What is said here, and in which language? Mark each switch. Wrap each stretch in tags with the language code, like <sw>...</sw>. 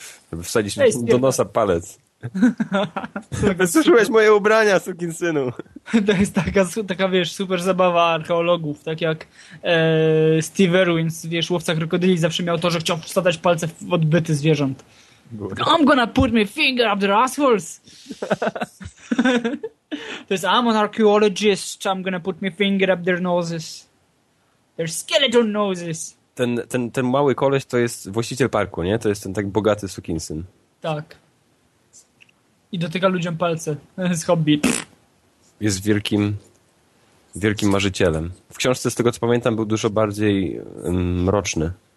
<pl>Żeby wsadzić do nosa palec. Zużyłeś moje ubrania, sukinsynu. To jest taka, wiesz, super zabawa archeologów, tak jak Steve Irwin, wiesz, Łowca Krokodyli zawsze miał to, że chciał wsadać palce w odbyty zwierząt.</pl> <en>I'm gonna put my finger up their assholes.</en> <pl>To jest</pl> <en>I'm an archaeologist, I'm gonna put my finger up their noses. Their skeleton noses.</en> <pl>Ten mały koleś to jest właściciel parku, nie? To jest ten tak bogaty sukinsyn. Tak. I dotyka ludziom palce. Z hobby. Jest wielkim marzycielem. W książce, z tego co pamiętam, był dużo bardziej mroczny.</pl>